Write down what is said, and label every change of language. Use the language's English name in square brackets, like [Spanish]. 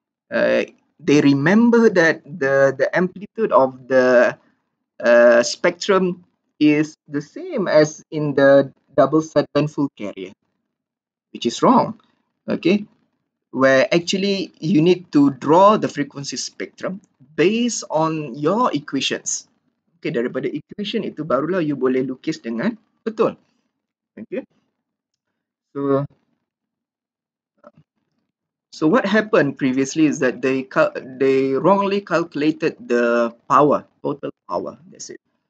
[English] They remember that the amplitude of the spectrum is the same as in the double sideband full carrier, which is wrong. Okay, where actually you need to draw the frequency spectrum based on your equations. [Malay] Okay, daripada equation itu barulah you boleh lukis dengan betul. [English] Okay, so what happened previously is that they wrongly calculated the power, total power, that's it.